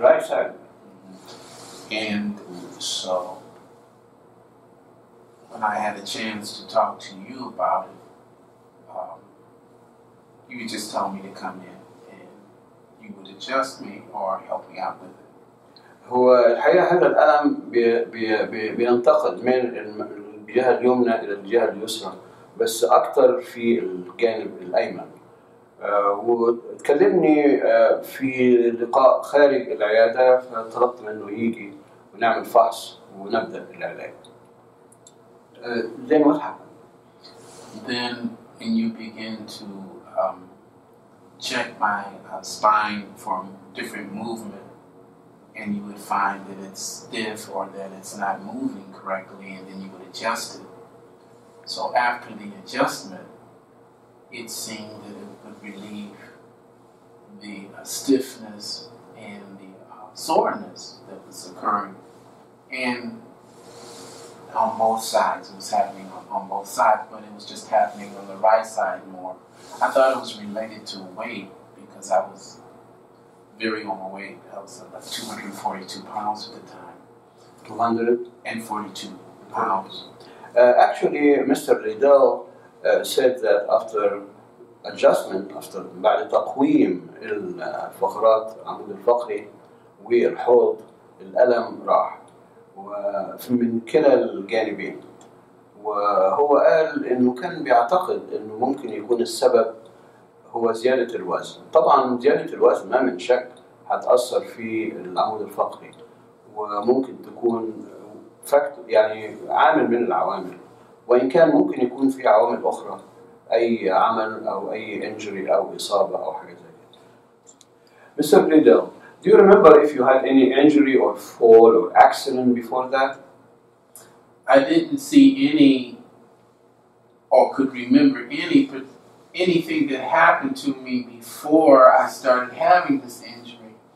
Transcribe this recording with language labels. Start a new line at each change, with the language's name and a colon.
English: Right side. Mm-hmm. And so when I had a chance to talk to you about it, you would just tell me to come in and you would adjust me or help me out with it.
Arabic: هو الحقيقة هذا الألم بينتقل من الجهة اليمنى إلى الجهة اليسرى، بس أكثر في الجانب الأيمن. وتكلمني في لقاء خارج العيادة، فطلبت منه يجي ونعمل فحص ونبدأ العلاج.
English: Then what happened? Then when you begin to check my spine from different movements, and you would find that it's stiff or that it's not moving correctly, and then you would adjust it. So after the adjustment, it seemed that it would relieve the stiffness and the soreness that was occurring. And on both sides, it was happening on both sides, but it was just happening on the right side more. I thought it was related to weight because I was very overweight. I was about 242 pounds at the time. 242 pounds. Actually, Mr. Liddall said that after adjustment, after
Arabic: بعد تقويم الفقرات عمود الفقري والحوض، الألم راح من كلا الجانبين. وهو قال إنه كان بيعتقد إنه ممكن يكون السبب هو زيادة الوزن. طبعا زيادة الوزن ما من شك هتأثر في العمود الفقري، وممكن تكون يعني عامل من العوامل، وإن كان ممكن يكون في عوامل أخرى، أي عمل أو أي injury أو إصابة أو حاجة زي كده.
English: Mr. Liddall, do you remember if you had any injury or fall or accident before that? I didn't see any or could remember anything that happened to me before I started having this injury.